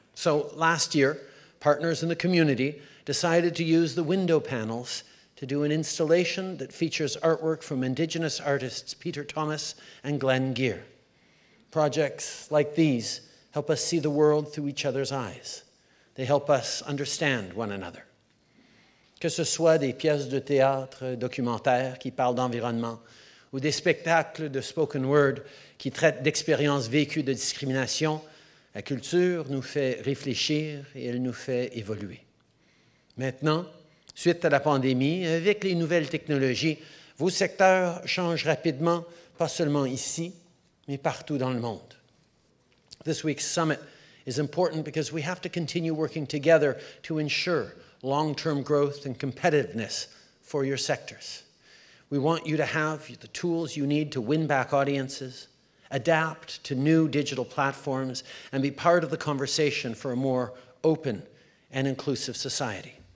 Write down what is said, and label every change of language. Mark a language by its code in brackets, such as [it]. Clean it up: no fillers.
[en] So last year, partners in the community decided to use the window panels to do an installation that features artwork from Indigenous artists Peter Thomas and Glenn Gear. Projects like these help us see the world through each other's eyes. They help us understand one another. [fr] Que ce soit des pièces de théâtre documentaires qui parlent d'environnement ou des spectacles de spoken word qui traitent d'expériences vécues de discrimination, la culture nous fait réfléchir et elle nous fait évoluer. Maintenant, suite à la pandémie, avec les nouvelles technologies, vos secteurs changent rapidement, pas seulement ici, mais partout dans le monde. [en] This week's summit is important because we have to continue working together to ensure long-term growth and competitiveness for your sectors. We want you to have the tools you need to win back audiences, adapt to new digital platforms, and be part of the conversation for a more open and inclusive society.